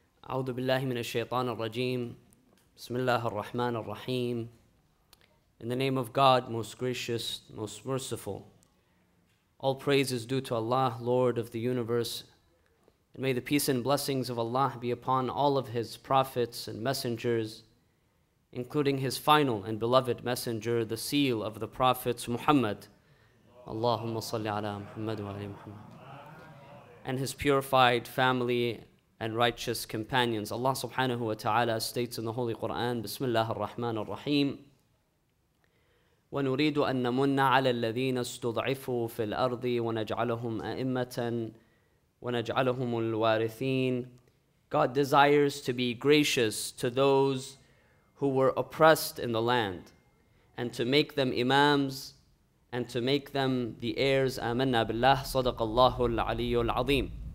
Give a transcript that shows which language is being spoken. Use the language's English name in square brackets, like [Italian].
[Arabic] أعوذ بالله من الشيطان الرجيم بسم الله الرحمن الرحيم. [English] In the name of God, most gracious, most merciful. All praise is due to Allah, Lord of the universe. And may the peace and blessings of Allah be upon all of His prophets and messengers, including His final and beloved messenger, the seal of the prophets Muhammad. [Arabic] Allahumma salli ala Muhammad wa ali Muhammad. [English] And His purified family and righteous companions. Allah subhanahu wa ta'ala states in the Holy Quran, Bismillah ar-Rahman ar-Rahim. [Arabic] ونريد أن نمن على الذين استضعفوا في الأرض ونجعلهم أئمة ونجعلهم الوارثين. [English] God desires to be gracious to those who were oppressed in the land and to make them imams and to make them the heirs. [Arabic] آمنا بالله صدق الله العلي العظيم.